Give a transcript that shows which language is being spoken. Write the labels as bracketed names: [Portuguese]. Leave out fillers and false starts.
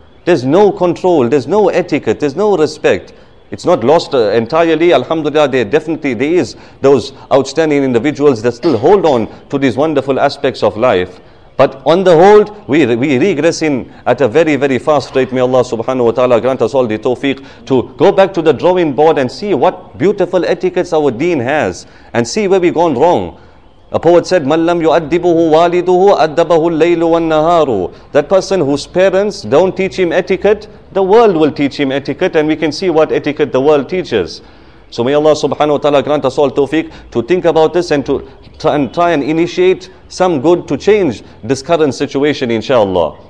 [English] There's no control, there's no etiquette, there's no respect. It's not lost entirely, alhamdulillah, there is those outstanding individuals that still hold on to these wonderful aspects of life. But on the whole, we regress in at a very, very fast rate. May Allah subhanahu wa ta'ala grant us all the tawfiq to go back to the drawing board and see what beautiful etiquettes our deen has and see where we've gone wrong. A poet said, [Arabic] مَنْ لَمْ يُؤَدِّبُهُ وَالِدُهُ أَدَّبَهُ اللَّيْلُ وَالنَّهَارُ. [English] That person whose parents don't teach him etiquette, the world will teach him etiquette, and we can see what etiquette the world teaches. So may Allah subhanahu wa ta'ala grant us all tawfiq to think about this and to try and initiate some good to change this current situation inshallah.